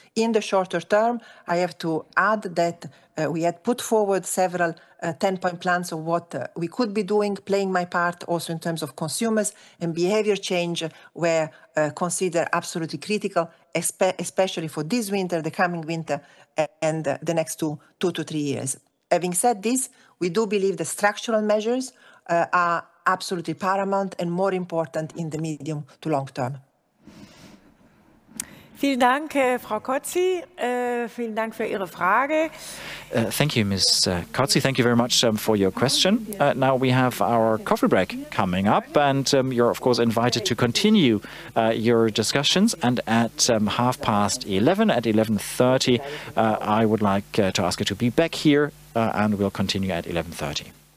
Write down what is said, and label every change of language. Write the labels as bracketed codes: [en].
[en] In the shorter term, I have to add that we had put forward several 10-point plans of what we could be doing, playing my part also in terms of consumers and behavior change, where considered absolutely critical, especially for this winter, the coming winter, and the next two to three years. Having said this, we do believe the structural measures are absolutely paramount and more important in the medium to long term. [de] Vielen Dank, Frau Kotzi. Vielen Dank für Ihre Frage. [en] Thank you, Ms. Kotzi. Thank you very much for your question. Now we have our coffee break coming up, and you're, of course, invited to continue your discussions. And at 11:30, at 11:30, I would like to ask you to be back here, and we'll continue at 11:30.